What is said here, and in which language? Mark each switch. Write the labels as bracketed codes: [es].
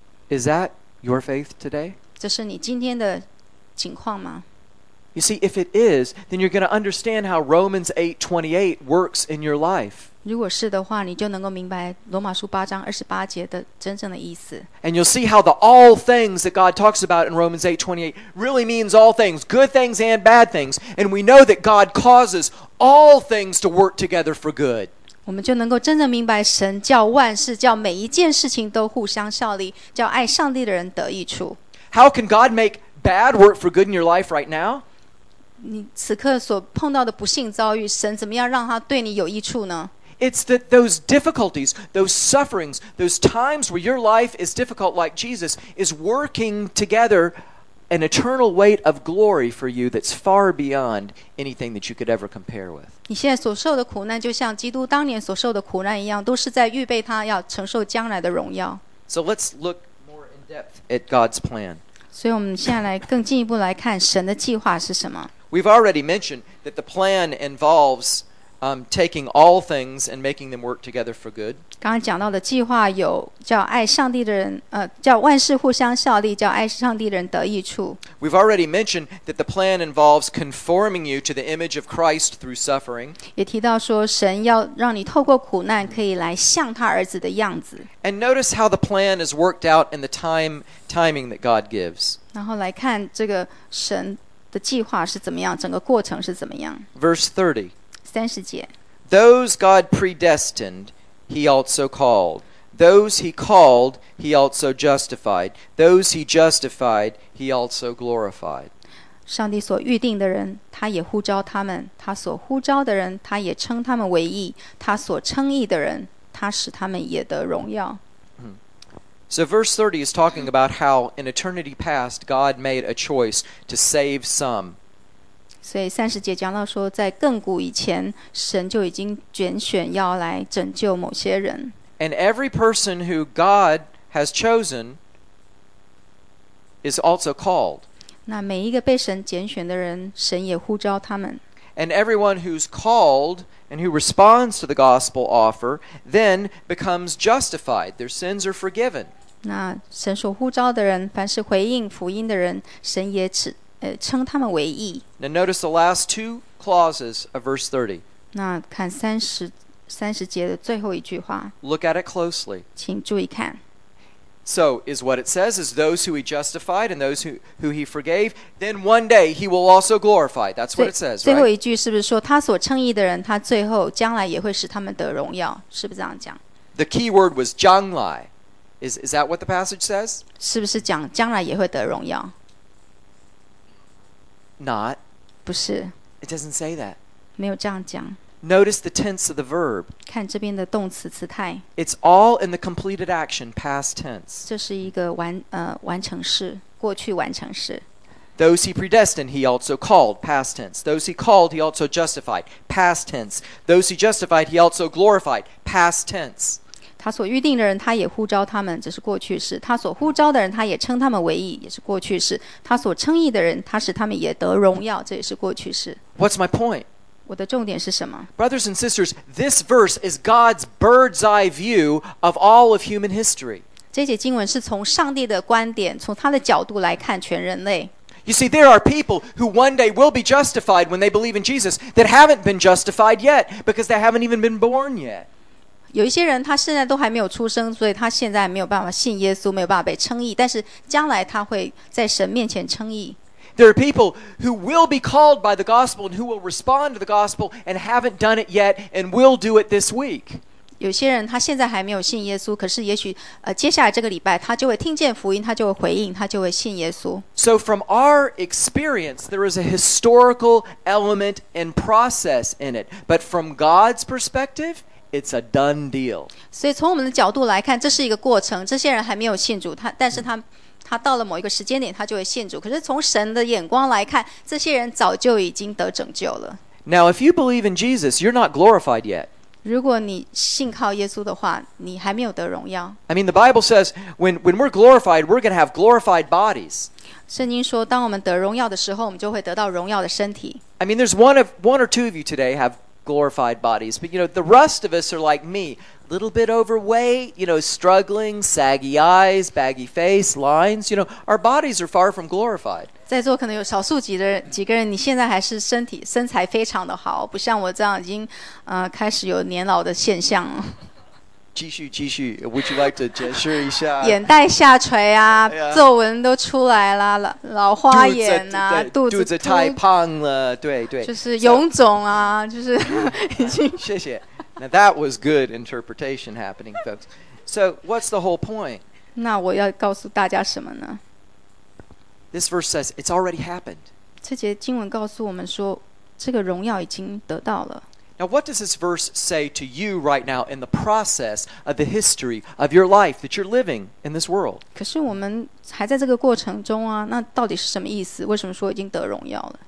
[en] Is that your faith today? [zh] 这是你今天的情况吗？ [en] You see, if it is, then you're going to understand how Romans 8:28 works in your life. [zh] 如果是的话你就能够明白罗马书八章二十八节的真正的意思。 [en] And you'll see how the all things that God talks about in Romans 8:28 really means all things, good things and bad things. And we know that God causes all things to work together for good. [zh] 我们就能够真正明白神叫万事叫每一件事情都互相效力叫爱上帝的人得益处。 [en] How can God make bad work for good in your life right now? [zh] 你此刻所碰到的不幸遭遇神怎么样让他对你有益处呢？ [en] It's that those difficulties, those sufferings, those times where your life is difficult like Jesus is working together an eternal weight of glory for you that's far beyond anything that you could ever compare with. [zh] 你现在所受的苦难就像基督当年所受的苦难一样都是在预备他要承受将来的荣耀。 [en] So let's look more in depth at God's plan. [zh] 所以我们现在来更进一步来看神的计划是什么。 [en] We've already mentioned that the plan involvesTaking all things and making them work together for good. [zh] 刚刚讲到的计划有叫爱上帝的人，叫万事互相效力，叫爱上帝的人得益处。 [en] We've already mentioned that the plan involves conforming you to the image of Christ through suffering. [zh] 也提到说神要让你透过苦难可以来像他儿子的样子。 [en] And notice how the plan is worked out in the timing that God gives. [zh] 然后来看这个神的计划是怎么样，整个过程是怎么样。 [en] Verse 30. [zh] 30节 [en] Those God predestined, He also called. Those He called, He also justified. Those He justified, He also glorified. [zh] 上帝所预定的人，他也呼召他们；他所呼召的人，他也称他们为义；他所称义的人，他使他们也得荣耀。 [en] So verse 30 is talking about how in eternity past, God made a choice to save some. [zh] 所以三十节讲到说在亘古以前神就已经拣选要来拯救某些人。 [en] And every person who God has chosen is also called. [zh] 那每一个被神拣选的人神也呼召他们。 [en] And everyone who's called and who responds to the gospel offer then becomes justified. Their sins are forgiven. [zh] 那神所呼召的人凡是回应福音的人神也指称他们为义。 [en] Now notice the last two clauses of verse 30. [zh] 那看30节的最后一句话。 [en] Look at it closely. [zh] 请注意看。 [en] So, is what it says is those who he justified and those who he forgave, then one day he will also glorify. That's what it says, right? [zh] 最后一句是不是说他所称义的人他最后将来也会使他们得荣耀是不是这样讲 [en] The key word was [zh] 将来 [en] Is that what the passage says? [zh] 是不是讲将来也会得荣耀 [en] Not. [zh] 不是 [en] It doesn't say that. [zh] 没有这样讲 [en] Notice the tense of the verb. [zh] 看这边的动词词态 [en] It's all in the completed action, past tense. [zh] 这是一个完成式过去完成式 [en] Those he predestined, he also called, past tense. Those he called, he also justified, past tense. Those he justified, he also glorified, past tense. [zh] 他所预定的人他也呼召他们这是过去式他所呼召的人他也称他们为义也是过去式他所称义的人他使他们也得荣耀这也是过去式 [en] What's my point? [zh] 我的重点是什么? [en] Brothers and sisters, this verse is God's bird's eye view of all of human history. [zh] 这节经文是从上帝的观点，从他的角度来看全人类。 [en] You see, there are people who one day will be justified when they believe in Jesus that haven't been justified yet because they haven't even been born yet. [zh] 有一些人他现在都还没有出生，所以他现在没有办法信耶稣，没有办法被称义，但是将来他会在神面前称义。 [en] There are people who will be called by the gospel and who will respond to the gospel and haven't done it yet and will do it this week. [zh] 有些人他现在还没有信耶稣，可是也许接下来这个礼拜他就会听见福音，他就会回应，他就会信耶稣。 [en] So from our experience, there is a historical element and process in it. But from God's perspective, it's a done deal. [zh] 所以从我们的角度来看，这是一个过程。这些人还没有信主，但是他。他到了某一个时间点，他就会信主。可是从神的眼光来看，这些人早就已经得拯救了。 [en] Now, if you believe in Jesus, you're not glorified yet. [zh] 如果你信靠耶稣的话，你还没有得荣耀。 [en] I mean, the Bible says when we're glorified, we're going to have glorified bodies. [zh] 圣经说，当我们得荣耀的时候，我们就会得到荣耀的身体。 [en] I mean, there's one or two of you today have glorified bodies, but you know the rest of us are like me. Little bit overweight, you know, struggling, saggy eyes, baggy face, lines, you know, our bodies are far from glorified. [zh] 在座可能有少数几个人，你现在还是身材非常的好，不像我这样已经开始有年老的现象了。继续 [en] ，Would you like to gesture [zh] 一下？眼袋下垂啊，皱纹都出来了，老花眼啊，肚子太胖了，对，就是臃肿啊，就是已经。谢谢。 [en] Now that was good interpretation happening, folks. So what's the whole point? [zh] 那我要告诉大家什么呢？ [en] This verse says it's already happened. [zh] 这节经文告诉我们说，这个荣耀已经得到了。 [en] Now, what does this verse say to you right now in the process of the history of your life that you're living in this world? [zh] 可是我们还在这个过程中啊，那到底是什么意思？为什么说已经得荣耀了？